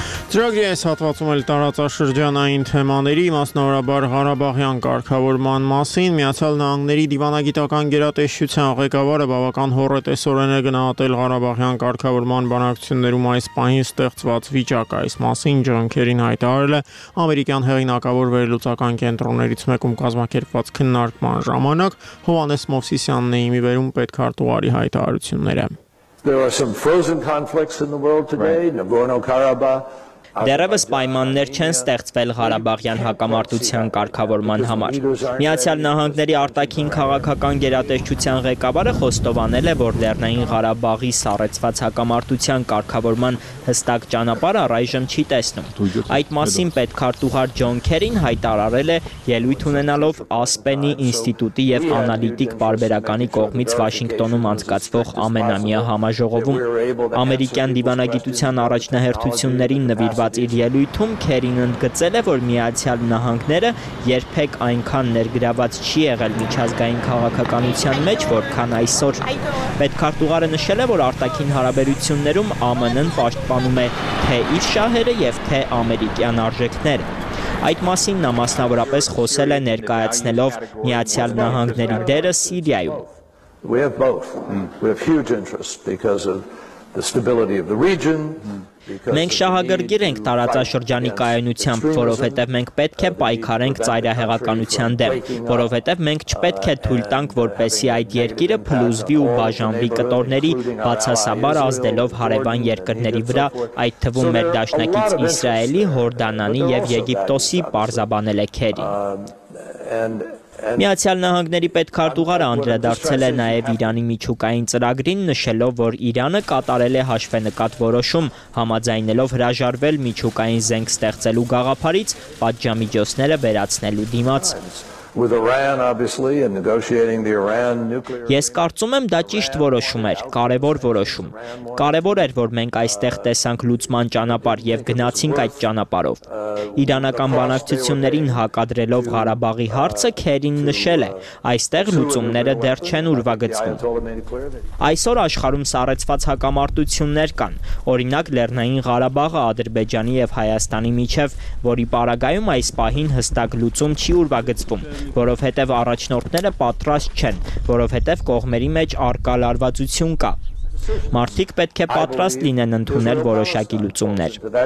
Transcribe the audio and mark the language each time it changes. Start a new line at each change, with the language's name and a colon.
Armenian: Ծրագրի այս հատվածում էլ տարածաշրջանային թեմաների, մասնավորաբար Ղարաբաղյան կարգավորման մասին։ Միացյալ Նահանգների դիվանագիտական գերատեսչության ղեկավարը բավական հոր է տեսորեն գնահատել Ղարաբաղյան կարգավորման բանակցություններում այս պահին ստեղծված վիճակը։ Այս մասին ջանքերին հայտարարել է ամերիկյան հեղինակավոր վերլուծական կենտրոններից մեկում կազմակերպված քննարկման ժամանակ։ Հովանես Մովսիսյանն է իմի վերում պետք արտուղարի հայտարարությունները։
English: There are some frozen conflicts in the world today, right. Nagorno-Karabakh.
Armenian: Դեռևս պայմաններ չեն ստեղծվել Ղարաբաղյան հակամարտության կարգավորման համար։ Միացյալ Նահանգների արտաքին քաղաքական գերատեսչության ղեկավարը խոստովանել է, որ Լեռնային Ղարաբաղի սառեցված հակամարտության կարգավորման հստակ ճանապարհ առայժմ չի տեսնում։ Այդ մասին պետքարտուղար Ջոն Քերին հայտարարել է ելույթ ունենալով Ասպենի ինստիտուտի եւ անալիտիկ պարբերականի կողմից Վաշինգտոնում անցկացվող ամենամյա համաժողովում։ Ամերիկյան դիվանագիտության առաջնահերթություններին նվիրված իր ելույթում Քերին ընդգծել է, որ Միացյալ Նահանգները երբեք այնքան ներգրաված չի եղել միջազգային քաղաքականության մեջ, որքան այսօր։ Պետքարտուղարը նշել է, որ արտաքին հարաբերություններում ԱՄՆ-ն պաշտպանում է թե իր շահերը եւ թե ամերիկյան արժեքները։ Այդ մասին նա մասնավորապես խոսել է ներկայացնելով Միացյալ Նահանգների դերը Սիրիայում։
English: We have both. We have huge interest because of the stability of the region.
Armenian: Մենք շահագրգիր ենք տարածաշրջանի կայունությամբ, որովհետև մենք պետք է պայքարենք ծայրահեղականության դեմ, որովհետև մենք չպետք է թույլ տանք, որպեսզի այդ երկիրը փլուզվի ու բաժանվի կտորների, բացասաբար ազդելով հարևան երկրների վրա, այդ թվում մեր դաշնակից Իսրայելի, Հորդանանի եւ Եգիպտոսի, պարզաբանել է Քերին։ Միացյալ Նահանգների պետքարտուղարը անդրադարձել է նաև Իրանի միջուկային ծրագրին, նշելով, որ Իրանը կատարել է հաշվենկատ որոշում, համաձայնելով հրաժարվել միջուկային զենք ստեղծելու գաղափարից, պատժամիջոցները վերացնելու դիմաց։
English: With Iran obviously and negotiating the Iran nuclear.
Armenian: Ես կարծում եմ, դա ճիշտ որոշում էր, կարևոր որոշում։ Կարևոր էր, որ մենք այստեղ տեսանք լուծման ճանապարհ եւ գնացինք այդ ճանապարհով։ Իրանական բանակցություններին հակադրելով Ղարաբաղի հարցը Քերին նշել է. Այստեղ լուծումները դեռ չեն ուրվագծվում։ Այսօր աշխարհում սառեցված հակամարտություններ կան, օրինակ Լեռնային Ղարաբաղը Ադրբեջանի եւ Հայաստանի միջև, որի պարագայում այս պահին հստակ լուծում չի ուրվագծվում, որովհետեւ առաջնորդները պատրաստ չեն, որովհետեւ կողմերի մեջ առկա լարվածություն կա։ Մարդիկ պետք է պատրաստ լինեն ընդունել որոշակի լուծումներ։